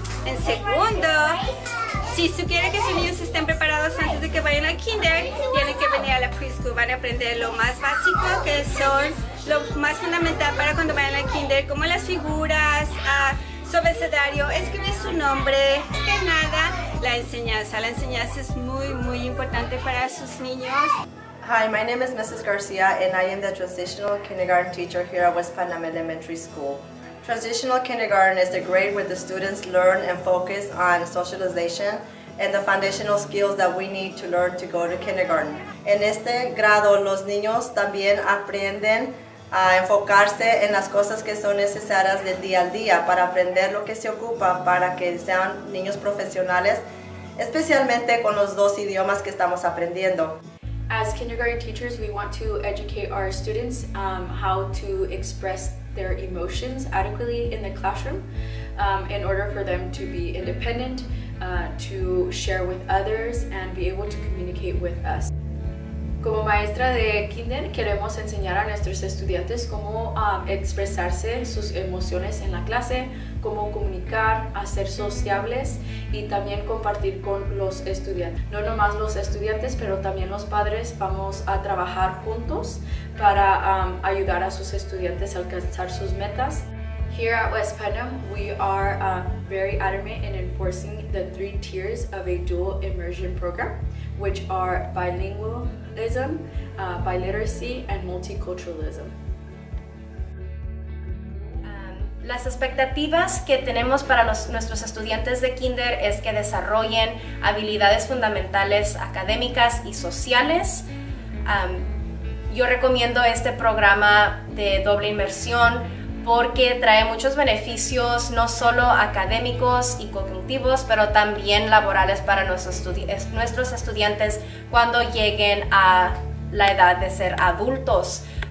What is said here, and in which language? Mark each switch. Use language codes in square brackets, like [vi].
[es] En segundo, si tú quieres que sus niños estén preparados antes de que vayan al kinder, tienen que venir a la preschool, van a aprender lo más básico que son lo más fundamental para cuando vayan al kinder, como las figuras, su abecedario, escribir su nombre, que nada, la enseñanza es muy muy importante para sus niños. [en] Hi, my name is Mrs. Garcia and I am the transitional kindergarten teacher here at West Putnam Elementary School. Transitional kindergarten is the grade where the students learn and focus on socialization and the foundational skills that we need to learn to go to kindergarten. [es] En este grado, los niños también aprenden a enfocarse en las cosas que son necesarias del día a día para aprender lo que se ocupa para que sean niños profesionales, especialmente con los dos idiomas que estamos aprendiendo. [en] As kindergarten teachers, we want to educate our students how to express their emotions adequately in the classroom in order for them to be independent, to share with others, and be able to communicate with us. [es] Como maestra de kinder, queremos enseñar a nuestros estudiantes cómo expresarse sus emociones en la clase, cómo comunicar, hacer sociables y también compartir con los estudiantes. No nomás los estudiantes, pero también los padres vamos a trabajar juntos para ayudar a sus estudiantes a alcanzar sus metas. [en] Here at West Putnam, we are very adamant in enforcing the three tiers of a dual immersion program, which are bilingualism, biliteracy, and multiculturalism. [es] Las expectativas que tenemos para nuestros estudiantes de kinder es que desarrollen habilidades fundamentales académicas y sociales. Yo recomiendo este programa de doble inmersión porque trae muchos beneficios, no solo académicos y cognitivos, pero también laborales para nuestros estudiantes cuando lleguen a la edad de ser adultos.